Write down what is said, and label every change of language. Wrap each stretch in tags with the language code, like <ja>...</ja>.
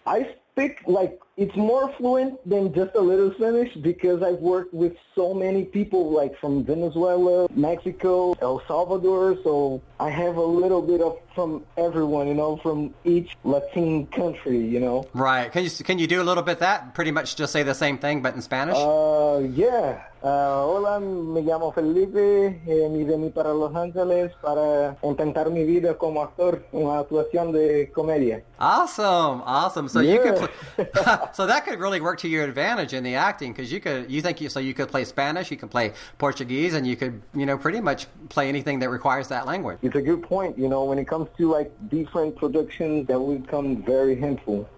<en>I speak, like, it's more fluent than just a little Spanish because I've worked with so many people, like, from Venezuela, Mexico, El Salvador. So I have a little bit of from everyone, you know, from each Latin country, you know. Right. Can you do a little bit of that? Pretty much just say the same thing, but in Spanish? Yeah.</en> <es>Hola, me llamo Felipe, me vení para Los Angeles para intentar mi vida como actor en una actuación de comedia.</es> <en>Awesome, awesome. So yeah. You could, so that could really work to your advantage in the acting, because you could play Spanish, you could play Portuguese, and you could, you know, pretty much play anything that requires that language. It's a good point, you know, when it comes to like different productions that would come very helpful.</en>